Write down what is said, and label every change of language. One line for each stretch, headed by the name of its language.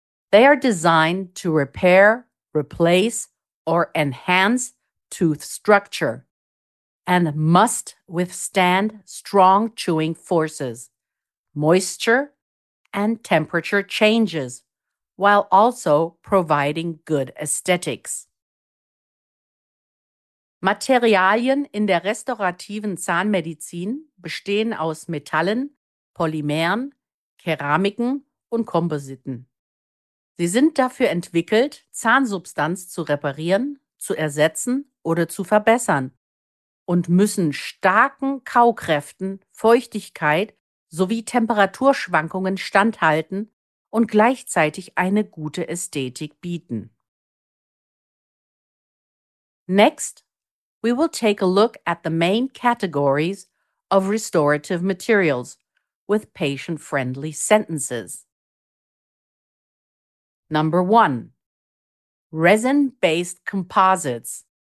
English: They are designed to repair, replace, or enhance tooth structure and must withstand strong chewing forces, moisture, and temperature changes, while also providing good aesthetics.
German: Materialien in der restaurativen Zahnmedizin bestehen aus Metallen, Polymeren, Keramiken und Kompositen. Sie sind dafür entwickelt, Zahnsubstanz zu reparieren, zu ersetzen oder zu verbessern und müssen starken Kaukräften, Feuchtigkeit sowie Temperaturschwankungen standhalten und gleichzeitig eine gute Ästhetik bieten.
English: Next, we will take a look at the main categories of restorative materials with patient-friendly sentences. Number 1. Resin-based composites.